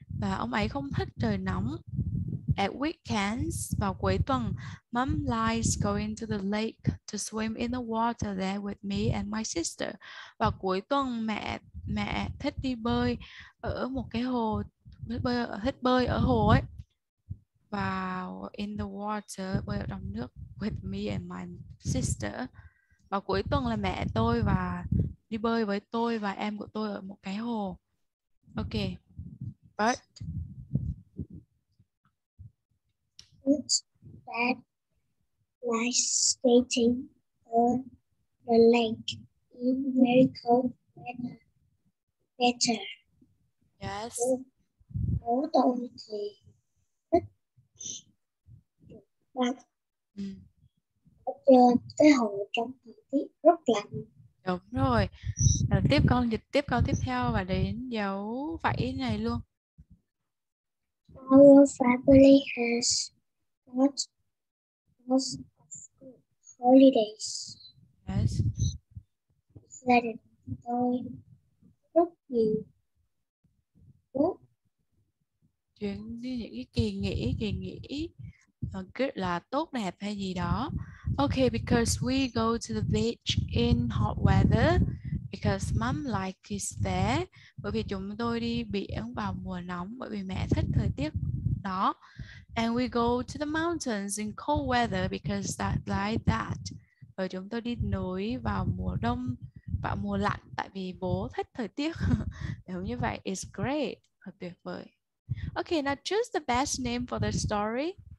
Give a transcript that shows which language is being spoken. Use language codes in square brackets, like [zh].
[vi] Và ông ấy không thích trời nóng. [en] At weekends, [vi] vào cuối tuần, [en] mom likes going to the lake to swim in the water there with me and my sister. [vi] Vào cuối tuần, mẹ thích đi bơi ở một cái hồ, thích bơi ở hồ ấy. [en] Vào in the water, [vi] bơi ở trong nước [en] with me and my sister. [vi] Vào cuối tuần là mẹ tôi và đi bơi với tôi và em của tôi ở một cái hồ. [en] Okay. But that like skating on the lake in very cold weather. Better. Yes. [vi] Bố tôi thì thích băng ở trên cái hồ trong thời tiết rất lạnh. Đúng rồi. Là tiếp con dịch tiếp câu tiếp theo và đến dấu phẩy này luôn. [en] Our family has got lots of good holidays. Yes. [vi] Gia đình tôi rất nhiều. Chuyện đi những cái kỳ nghỉ good là tốt đẹp hay gì đó. [en] Okay, because we go to the beach in hot weather. Because mom likes it there. [vi] Bởi vì chúng tôi đi biển vào mùa nóng. Bởi vì mẹ thích thời tiết đó. [en] And we go to the mountains in cold weather. Because that like that. [vi] Bởi chúng tôi đi núi vào mùa đông. Vào mùa lạnh. Tại vì bố thích thời tiết. Nếu như vậy, [en] it's great. [vi] Thật tuyệt vời. [en] Okay, now choose the best name for the story.